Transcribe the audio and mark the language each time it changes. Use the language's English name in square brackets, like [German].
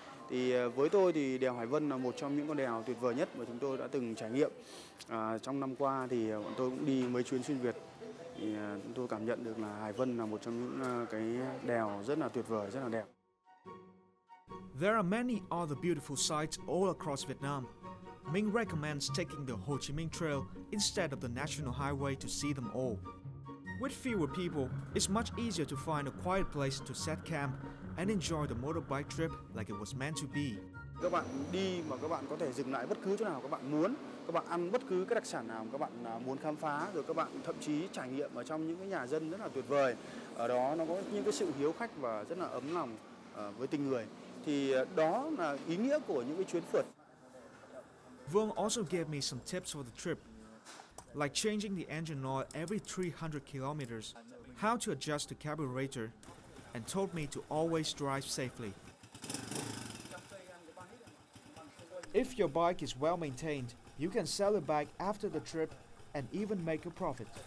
[Vietnamese] Thì với tôi thì đèo Hải Vân là một trong những con đèo tuyệt vời nhất mà chúng tôi đã từng trải nghiệm. Trong năm qua thì bọn tôi cũng đi mấy chuyến xuyên Việt. Thì chúng tôi cảm nhận được là Hải Vân là một trong những cái đèo rất là tuyệt vời, rất là đẹp. [English] There are many other beautiful sites all across Vietnam. Ming recommends taking the Ho Chi Minh Trail instead of the National Highway to see them all. With fewer people, it's much easier to find a quiet place to set camp and enjoy the motorbike trip like it was meant to be. [Vietnamese] Các bạn đi mà các bạn có thể dừng lại bất cứ chỗ nào các bạn muốn, các bạn ăn bất cứ cái đặc sản nào các bạn muốn khám phá, rồi các bạn thậm chí trải nghiệm ở trong những cái nhà dân rất là tuyệt vời. Ở đó nó có những cái sự hiếu khách và rất là ấm lòng với tình người. Thì đó là ý nghĩa của những cái chuyến phượt. [English] Vương also gave me some tips for the trip, like changing the engine oil every 300 kilometers, how to adjust the carburetor, and told me to always drive safely. If your bike is well maintained, you can sell it back after the trip and even make a profit.